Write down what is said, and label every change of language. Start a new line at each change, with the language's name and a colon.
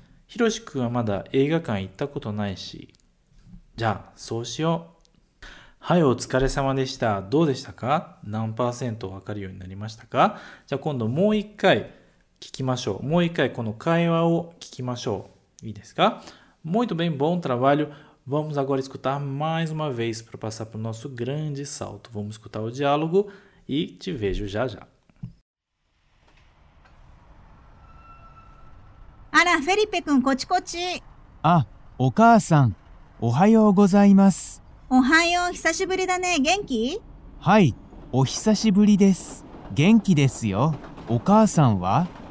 Japanese: ひろしくんはまだ映画館行ったことないし。じゃあそうしよう。はい、お疲れ様でした。どうでしたか？何パーセント分かるようになりましたか？じゃあ今度もう一回聞きましょう。もう一回この会話を聞きましょう。いいですか？
Portuguese: Muito bem, bom trabalho. Vamos agora escutar mais uma vez para passar para o nosso grande salto. Vamos escutar o diálogo e te vejo já já.
Japanese: あら、フェリペ君、こちこち。あ、お母さん、おはようございます。おはよう、久しぶりだね、元気？はい、お久しぶりです。元気ですよ。お母さんは？